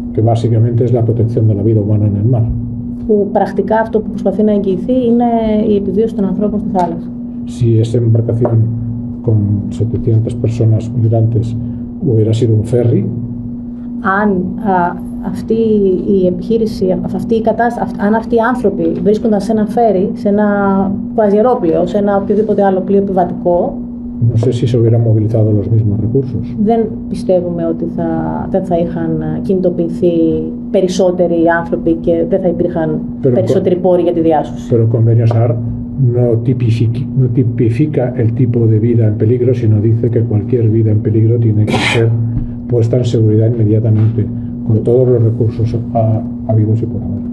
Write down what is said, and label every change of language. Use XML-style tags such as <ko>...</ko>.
<es>Que básicamente es la protección de la vida humana en el mar.</es> <el>Που πρακτικά αυτό που προσπαθεί να εγγυηθεί είναι η επιβίωση των ανθρώπων στη θάλασσα.</el> <es>Si esa embarcación con 700 personas migrantes hubiera sido un ferry.</es> <el>Αν αυτή η επιχείρηση, αυτή η κατάσταση, αν αυτοί οι άνθρωποι βρίσκονταν σε ένα φέρι, σε ένα κουαζιερόπλοιο, σε ένα οποιοδήποτε άλλο πλοίο επιβατικό.</el> <es>No sé si se hubiera movilizado los mismos recursos.</es> <el>Δεν πιστεύουμε ότι δεν θα είχαν κινητοποιηθεί περισσότεροι άνθρωποι και δεν θα υπήρχαν περισσότεροι πόροι για τη διάσωση.</el> <es>Pero el convenio SAR no tipifica el tipo de vida en peligro, sino dice que cualquier vida en peligro tiene que ser puesta en seguridad inmediatamente, con todos los recursos habidos y por haber.</es>